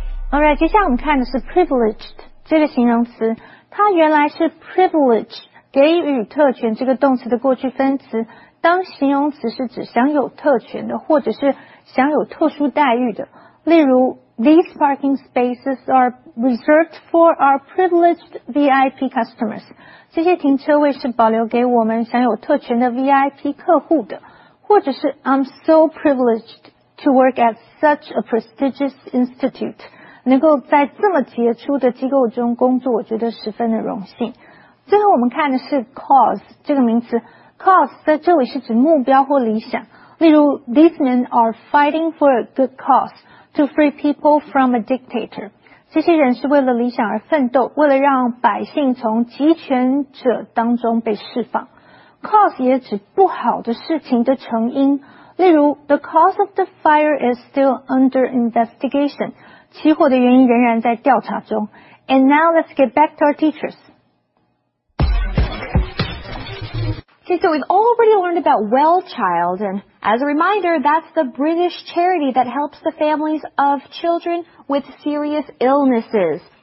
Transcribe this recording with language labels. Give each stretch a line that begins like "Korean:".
English: All right,
Chinese: 接下来我们看的是 privileged 这个形容词，它原来是 privilege 给予特权这个动词的过去分词。当形容词是指享有特权的或者是享有特殊待遇的，例如
English: These parking spaces are reserved for our privileged VIP customers.
Chinese: 这些停车位是保留给我们享有特权的 VIP 客户的，或者是
English: I'm so privileged to work at such a prestigious institute.
Chinese: 能够在这么杰出的机构中工作，我觉得十分的荣幸。最后我们看的是 cause 这个名词，Cause 在这里是指目标或理想，例如
English: These men are fighting for a good cause to free people from a dictator.
Chinese: 这些人是为了理想而奋斗，为了让百姓从集权者当中被释放。
English: Cause
Chinese: 也指不好的事情的成因，例如
English: The cause of the fire is still under investigation.
Chinese: 起火的原因仍然在调查中。
English: And now let's get back to our teachers. Okay, so we've already learned about Well-Child, and as a reminder, that's the British charity that helps the families of children with serious illnesses.